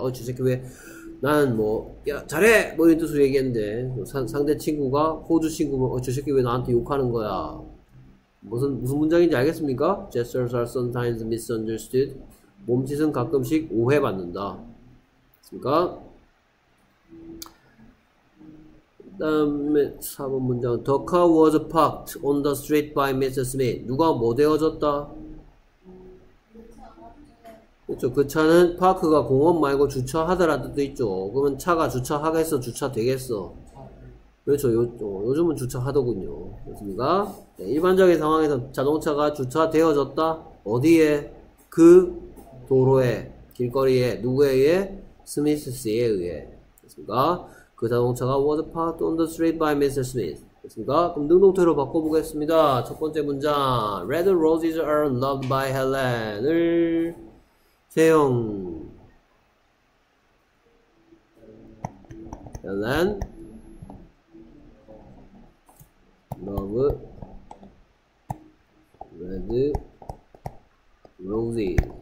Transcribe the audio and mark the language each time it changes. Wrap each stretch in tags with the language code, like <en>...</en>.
<ko>어, 저 새끼 왜 난 뭐 야 잘해 뭐 이런 뜻으로 얘기했는데 상대 친구가 호주 친구면 어, 저 새끼 왜 나한테 욕하는 거야. 무슨 문장인지 알겠습니까?</ko> <en>Gestures are sometimes misunderstood.</en> <ko>몸짓은 가끔씩 오해받는다. 그러니까 다음에 4번 문장.</ko> <en>The car was parked on the street by Mrs.</en> <ko>Smith. 누가 뭐 되어졌다? 그렇죠. 그 차는 파크가 공원 말고 주차하다라는 뜻도 있죠. 그러면 차가 주차하겠어? 주차되겠어? 그렇죠. 요즘은 주차하더군요. 그렇습니까? 네, 일반적인 상황에서 자동차가 주차되어졌다? 어디에? 그 도로에, 길거리에, 누구에 의해? 스미스씨에 의해. 그렇습니까? 그 자동차가</ko> <en>was parked on the street by Mrs.</en> <ko>Smith. 됐습니까? 그럼 능동태로 바꿔보겠습니다. 첫 번째 문장.</ko> <en>Red roses are loved by Helen을 세용. Helen love red roses.</en>